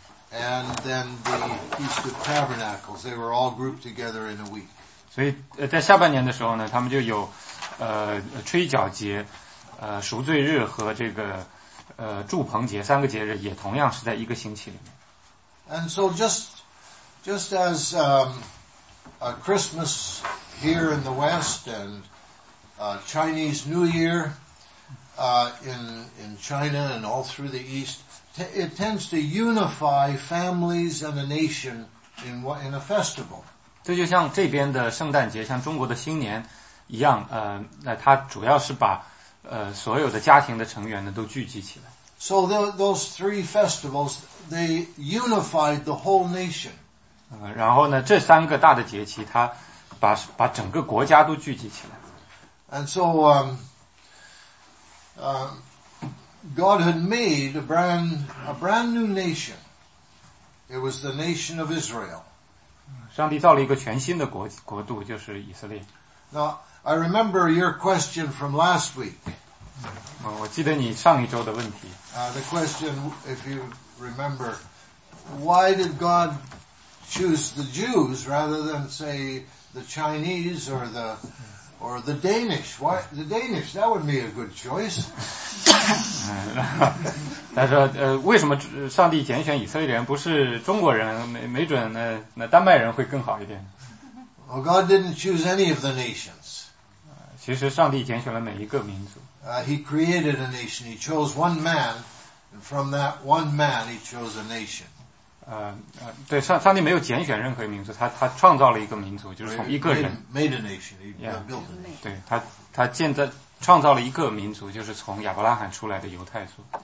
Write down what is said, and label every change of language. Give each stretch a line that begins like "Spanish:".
English: And then the Feast of Tabernacles. They were all grouped together in a week.
Chinese: 所以在下半年的时候呢，他们就有吹角节，赎罪日和这个祝棚节三个节日也同样是在一个星期里面。
English: And so just as Christmas here in the West and Chinese New Year in China and all through the East, it tends to unify families and a nation in a festival.
Chinese: 这就像这边的圣诞节，像中国的新年一样，那它主要是把所有的家庭的成员呢都聚集起来。
English: So those three festivals, they unified the whole nation.
Chinese: 然后呢，这三个大的节期，它把整个国家都聚集起来。
English: And so, God had made a brand new nation. It was the nation of Israel.
Chinese: 上帝造了一个全新的国度，就是以色列。
English: Now, I remember your question from last week.
Chinese: 我记得你上一周的问题。
English: The question, if you remember, why did God choose the Jews rather than, say, the Chinese or the Danish? Why the Danish? That would be a good choice.
Chinese: 他说，为什么上帝拣选以色列人不是中国人？没准那丹麦人会更好一点。
English: Well, God didn't choose any of the nations.
Chinese: 其实上帝拣选了每一个民族。
English: He created a nation. He chose one man, and from that one man, he chose a nation.
Chinese: 对，上帝没有拣选任何民族，他创造了一个民族，就是从一个人。
English: Made a nation. He built a nation.
Chinese: 对，他建造。创造了一个民族，就是从亚伯拉罕出来的犹太族。